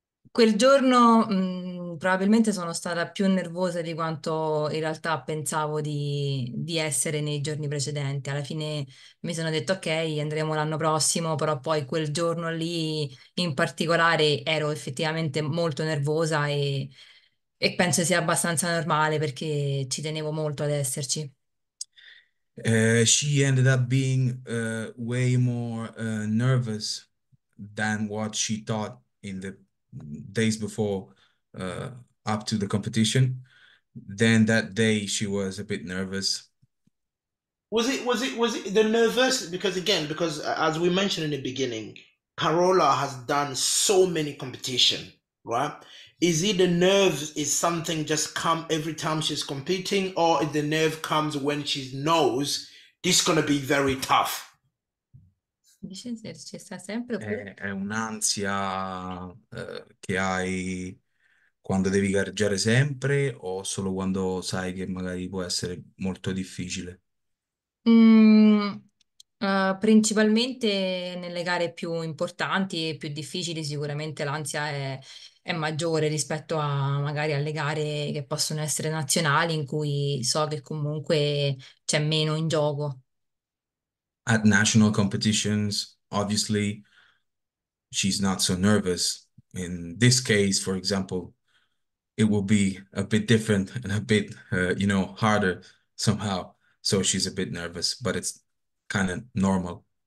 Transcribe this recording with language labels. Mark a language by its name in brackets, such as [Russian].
[Italian] Quel giorno probabilmente sono stata più nervosa di quanto in realtà pensavo di essere nei giorni precedenti. Alla fine mi sono detto ok, andremo l'anno prossimo, però poi quel giorno lì in particolare ero effettivamente molto nervosa e penso sia abbastanza normale perché ci tenevo molto ad esserci. [English] She ended up being way more nervous than what she thought in the days before up to the competition. Then that day she was a bit nervous. Was it the nervous? Because again, because as we mentioned in the beginning, Carola has done so many competition, right? Is it the nerves? Is something just come every time she's competing, or is the nerve comes when she knows this is gonna be very tough? [Italian] È un'ansia che hai quando devi gareggiare sempre o solo quando sai che magari può essere molto difficile? Principalmente nelle gare più importanti e più difficili, sicuramente l'ansia è maggiore rispetto a magari alle gare che possono essere nazionali, in cui so che comunque c'è meno in gioco. [English] At national competitions, obviously, she's not so nervous. In this case, for example, it will be a bit different and a bit, you know, harder somehow. So she's a bit nervous, but it's kind of normal.